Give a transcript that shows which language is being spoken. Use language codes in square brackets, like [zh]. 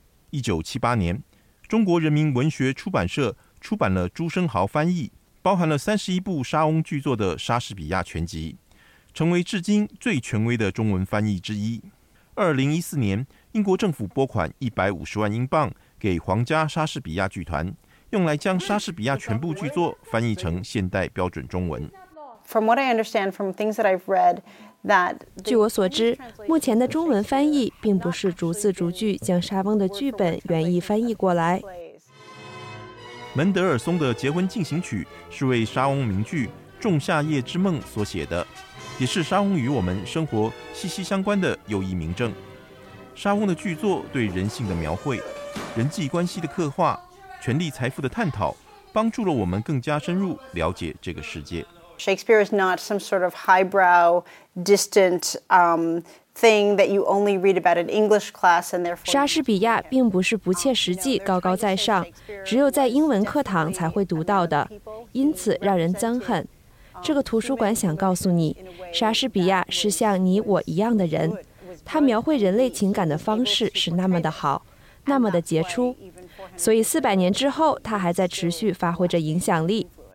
[zh] 1978年，中国人民文学出版社出版了朱生豪翻译，包含了31部莎翁剧作的《莎士比亚全集》，成为至今最权威的中文翻译之一。2014年。英国政府拨款150万英镑给皇家莎士比亚剧团，用来将莎士比亚全部剧作翻译成现代标准中文。 [en] From what I understand, from things that I've read, that [zh] 据我所知，目前的中文翻译并不是逐字逐句将莎翁的剧本原意翻译过来。门德尔松的《结婚进行曲》是为莎翁名剧《仲夏夜之梦》所写的，也是莎翁与我们生活息息相关的又一明证。莎翁的剧作对人性的描绘、人际关系的刻画、权力财富的探讨，帮助了我们更加深入了解这个世界。 [en] Shakespeare is not some sort of highbrow, distant thing that you only read about in English class, and therefore. [zh] 莎士比亚并不是不切实际、高高在上，只有在英文课堂才会读到的，因此让人憎恨。这个图书馆想告诉你，莎士比亚是像你我一样的人。他描绘人类情感的方式是那么的好，那么的杰出，所以400年之后，他还在持续发挥着影响力。